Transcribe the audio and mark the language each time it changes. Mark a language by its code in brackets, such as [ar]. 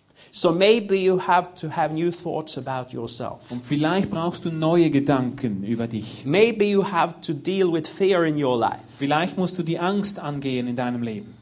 [en] So maybe you have to have new thoughts about yourself. [de] Und vielleicht brauchst du neue Gedanken über dich. [en] Maybe you have to deal with fear in your life. [de] Vielleicht musst du die Angst angehen in deinem Leben.